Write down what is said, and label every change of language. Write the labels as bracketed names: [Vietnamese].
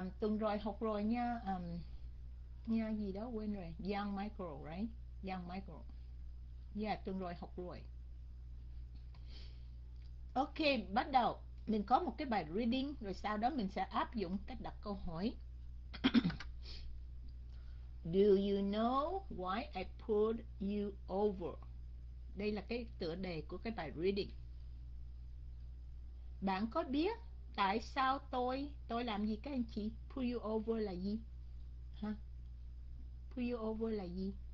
[Vietnamese] Tuần rồi học rồi nha. Nha gì đó quên rồi. [English] Young Michael, right? Young Michael. Yeah, [Vietnamese] tuần rồi học rồi. Ok, bắt đầu. Mình có một cái bài reading, rồi sau đó mình sẽ áp dụng cách đặt câu hỏi. [English] Do you know why I pulled you over? [Vietnamese] Đây là cái tựa đề của cái bài reading. Bạn có biết tại sao tôi làm gì các anh chị? [English] Pull you over [Vietnamese] là gì? Hả? [English] Huh? Pull you over là gì?